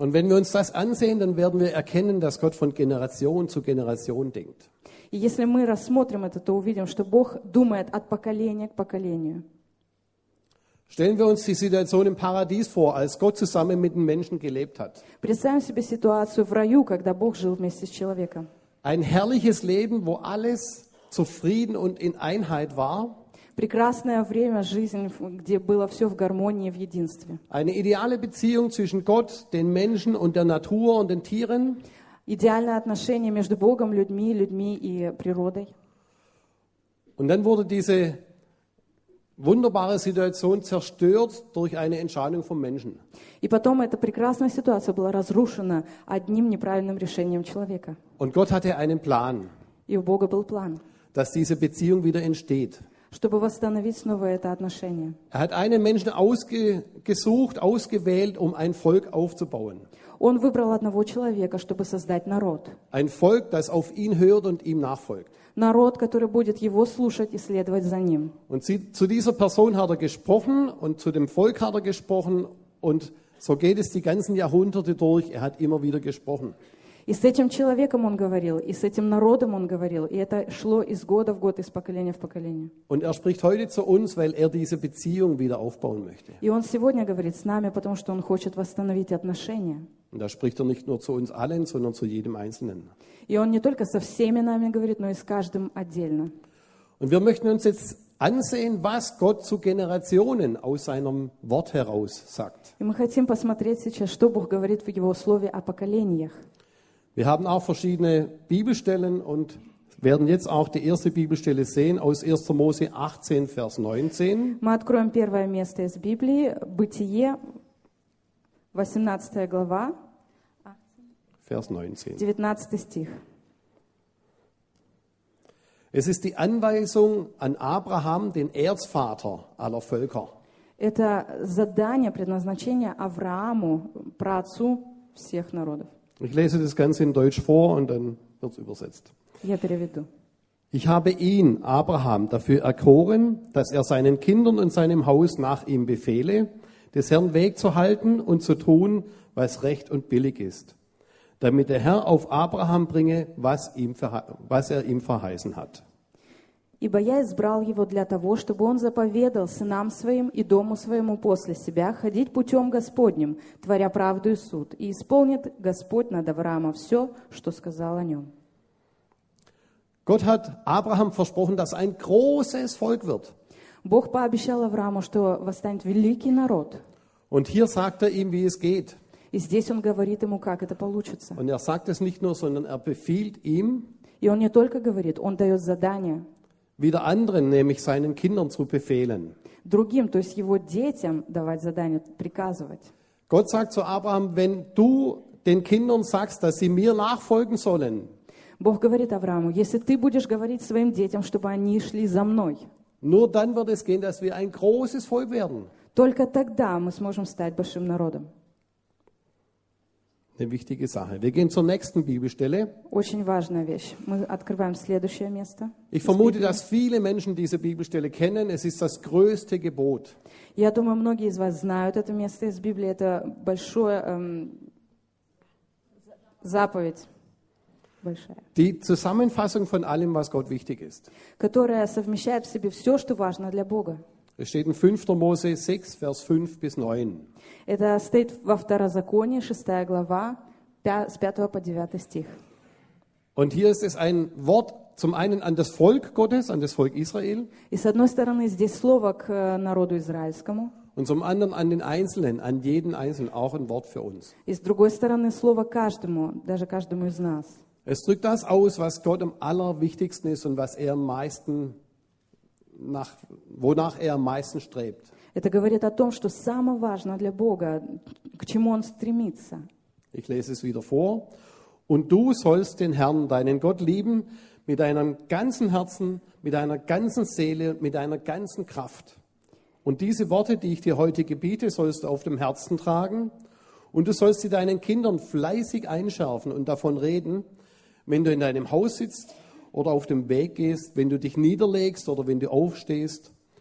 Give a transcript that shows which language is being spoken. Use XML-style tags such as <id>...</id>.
<de>Und wenn wir uns das ansehen, dann werden wir erkennen, dass Gott von Generation zu Generation denkt.</de> <ru>И если мы рассмотрим это, то увидим, что Бог думает от поколения к поколению.</ru> <de>Stellen wir uns die Situation im Paradies vor, als Gott zusammen mit den Menschen gelebt hat.</de> <ru>Представим себе ситуацию в раю, когда Бог жил вместе с человеком.</ru> <de>Ein herrliches Leben, wo alles zufrieden und in Einheit war.</de> <ru>Прекрасное время, жизнь, где было все в гармонии, в единстве.</ru> <de>Eine ideale Beziehung zwischen Gott, den Menschen und der Natur und den Tieren.</de> <ru>Идеальное отношение между Богом, людьми, людьми и природой.</ru> <de>Und dann wurde diese wunderbare Situation zerstört durch eine Entscheidung von Menschen.</de> <ru>И потом эта прекрасная ситуация была разрушена одним неправильным решением человека.</ru> <de>Und Gott hatte einen Plan.</de> <ru>И у Бога был план.</ru> <de>Dass diese Beziehung wieder entsteht.</de> <ru>Чтобы восстановить снова это отношение.</ru> <de>Er hat einen Menschen ausgesucht, ausgewählt, um ein Volk aufzubauen.</de> <ru>Он выбрал одного человека, чтобы создать народ.</ru> <de>Ein Volk, das auf ihn hört und ihm nachfolgt.</de> <ru>Народ, который будет его слушать и следовать за ним.</ru> <de>Und zu dieser Person hat er gesprochen und zu dem Volk hat er gesprochen und so geht es die ganzen Jahrhunderte durch. Er hat immer wieder gesprochen.</de> <ru>И с этим человеком он говорил, и с этим народом он говорил, и это шло из года в год, из поколения в поколение.</ru> <de>Und er spricht heute zu uns, weil er diese Beziehung wieder aufbauen möchte.</de> <ru>И он сегодня говорит с нами, потому что он хочет восстановить отношения.</ru> <de>Und da spricht er nicht nur zu uns allen, sondern zu jedem Einzelnen.</de> <ru>И он не только со всеми нами говорит, но и с каждым отдельно.</ru> <de>Und wir möchten uns jetzt ansehen, was Gott zu Generationen aus seinem Wort heraus sagt.</de> <ru>И мы хотим посмотреть сейчас, что Бог говорит в его слове о поколениях.</ru> <de>Wir haben auch verschiedene Bibelstellen und werden jetzt auch die erste Bibelstelle sehen aus 1. Mose 18, Vers 19.</de> <ru>Мы откроем первое место из Библии, Бытие, 18 глава,</ru> <de>Vers 19.</de> <ru>19 стих.</ru> <de>Es ist die Anweisung an Abraham, den Erzvater aller Völker.</de> <ru>Это задание, предназначение Аврааму, праотцу всех народов.</ru> <de>Ich lese das Ganze in Deutsch vor und dann wird es übersetzt.</de> <ru>Я переведу.</ru> <de>Ich habe ihn, Abraham, dafür erkoren, dass er seinen Kindern und seinem Haus nach ihm befehle, des Herrn Weg zu halten und zu tun, was recht und billig ist, damit der Herr auf Abraham bringe, was er ihm verheißen hat.</de> <ru>Ибо я избрал его для того, чтобы он заповедал сынам своим и дому своему после себя ходить путем Господним, творя правду и суд, и исполнит Господь над Авраама все, что сказал о нем.</ru> <de>Gott hat Abraham versprochen, dass ein großes Volk wird.</de> <ru>Бог пообещал Аврааму, что восстанет великий народ.</ru> <de>Und hier sagt er ihm, wie es geht.</de> <ru>И здесь он говорит ему, как это получится.</ru> <de>Und er sagt es nicht nur, sondern er befiehlt ihm.</de> <ru>И он не только говорит, он дает задание.</ru> <de>Wieder anderen, nämlich seinen Kindern zu befehlen.</de> <ru>Другим, то есть его детям давать задание, приказывать.</ru> <de>Gott sagt zu Abraham, wenn du den Kindern sagst, dass sie mir nachfolgen sollen.</de> <ru>Бог говорит Аврааму, если ты будешь говорить своим детям, чтобы они шли за мной.</ru> <de>Nur dann wird es gehen, dass wir ein großes Volk werden.</de> <ru>Только тогда мы сможем стать большим народом.</ru> <de>Eine wichtige Sache. Wir gehen zur nächsten Bibelstelle.</de> <ru>Очень важная вещь. Мы открываем следующее место.</ru> <de>Ich vermute, dass viele Menschen diese Bibelstelle kennen. Es ist das größte Gebot.</de> <ru>Я думаю, многие из вас знают это место из Библии. Это большое заповедь. Большая.</ru> <de>Die Zusammenfassung von allem, was Gott wichtig ist.</de> <ru>Которая совмещает в себе все, что важно для Бога.</ru> <de>Es steht in 5. Mose 6, Vers 5 bis 9.</de> <ru>Это стоит во Второзаконии, 6 глава, с 5 по 9 стих.</ru> <de>Und hier ist es ein Wort zum einen an das Volk Gottes, an das Volk Israel.</de> <ru>И с одной стороны здесь слово к народу израильскому.</ru> <de>Und zum anderen an den Einzelnen, an jeden Einzelnen, auch ein Wort für uns.</de> <ru>И с другой стороны слово каждому, даже каждому из нас.</ru> <de>Es drückt das aus, was Gott am allerwichtigsten ist und was er am meisten nach, wonach er am meisten strebt.</de> <ru>Это говорит о том, что самое важное для Бога, к чему он стремится.</ru> <de>Ich lese es wieder vor. Und du sollst den Herrn, deinen Gott, lieben mit deinem ganzen Herzen, mit deiner ganzen Seele, mit deiner ganzen Kraft. Und diese Worte, die ich dir heute gebiete, sollst du auf dem Herzen tragen. Und du sollst sie deinen Kindern fleißig einschärfen und davon reden, wenn du in deinem Haus sitzt oder auf dem Weg gehst, wenn du dich niederlegst oder wenn du aufstehst.</de>